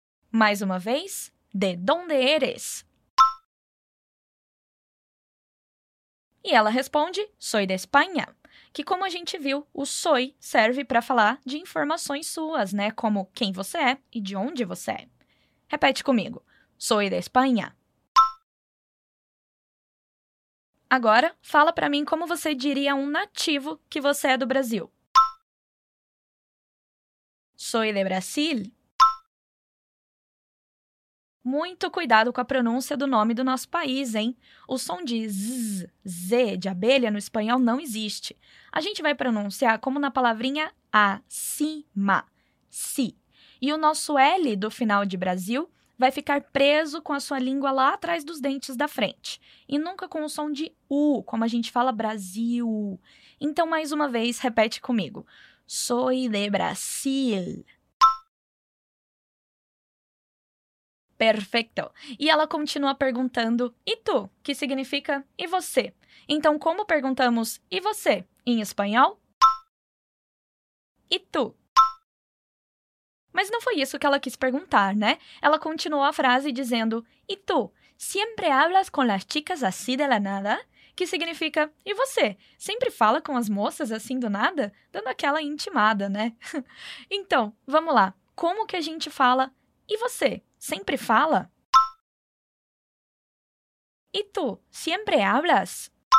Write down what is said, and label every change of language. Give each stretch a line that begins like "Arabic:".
Portuguese: Mais uma vez,
Spanish: de dónde eres?
Portuguese: E ela responde,
Spanish: soy de España,
Portuguese: que como a gente viu, o soy serve para falar de informações suas, né? Como quem você é e de onde você é. Repete comigo,
Spanish: soy de España.
Portuguese: Agora, fala para mim como você diria a um nativo que você é do Brasil.
Spanish: Soy de Brasil.
Portuguese: Muito cuidado com a pronúncia do nome do nosso país, hein? O som de z, z, de abelha, no espanhol não existe. A gente vai pronunciar como na palavrinha acima, si. E o nosso L do final de Brasil vai ficar preso com a sua língua lá atrás dos dentes da frente. E nunca com o som de U, como a gente fala Brasil. Então, mais uma vez, repete comigo.
Spanish: Soy de Brasil.
Portuguese: Perfeito. E ela continua perguntando, e tu? Que significa, e você? Então, como perguntamos, e você? Em espanhol? E tu? Mas não foi isso que ela quis perguntar, né? Ela continuou a frase dizendo, e tu?
Spanish: Siempre hablas con las chicas así de la nada?
Portuguese: Que significa, e você? Sempre fala com as moças assim do nada? Dando aquela intimada, né? Então, vamos lá. Como que a gente fala, e você? Sempre fala?
Spanish: E tu? Siempre hablas?